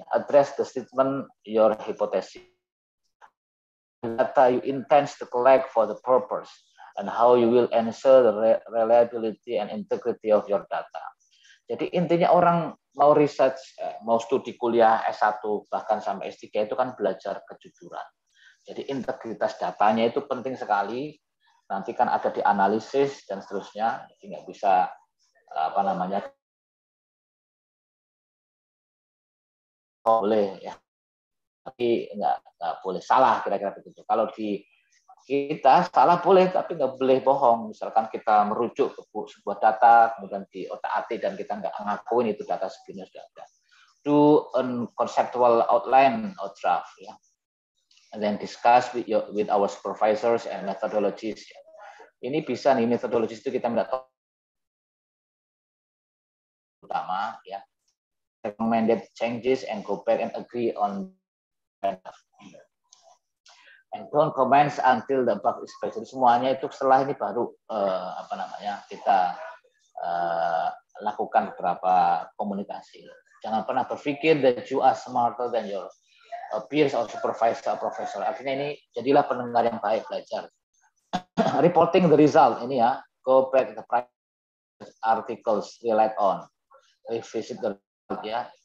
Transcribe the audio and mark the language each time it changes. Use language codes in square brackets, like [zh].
[en] Address the statement your hypothesis. Data you intend to collect for the purpose. and how you will answer the reliability and integrity of your data. [id] Jadi intinya orang mau research, mau studi kuliah S1 bahkan sampai S3 itu kan belajar kejujuran. Jadi integritas datanya itu penting sekali. Nanti kan ada di analisis dan seterusnya, jadi nggak bisa apa namanya boleh ya, tapi nggak boleh salah kira-kira begitu. Kalau di kita salah boleh, tapi nggak boleh bohong. Misalkan kita merujuk ke sebuah data, kemudian di otak-atik dan kita nggak ngakuin itu data sebenarnya sudah ada. [en] Do a conceptual outline or draft, ya. And then discuss with our supervisors and methodologies. [id] Ini bisa nih, methodologies itu kita nggak tahu. Pertama, ya. [en] Recommended changes and go back and agree on. And don't comment until the bug is fixed. [id] Semuanya itu setelah ini baru apa namanya kita lakukan beberapa komunikasi. Jangan pernah berpikir [en] that you are smarter than your peers or supervisor or professor. [id] Artinya ini jadilah pendengar yang baik, belajar. [en] Reporting the result ini ya, go back to the previous articles relied on, revisit the result ya.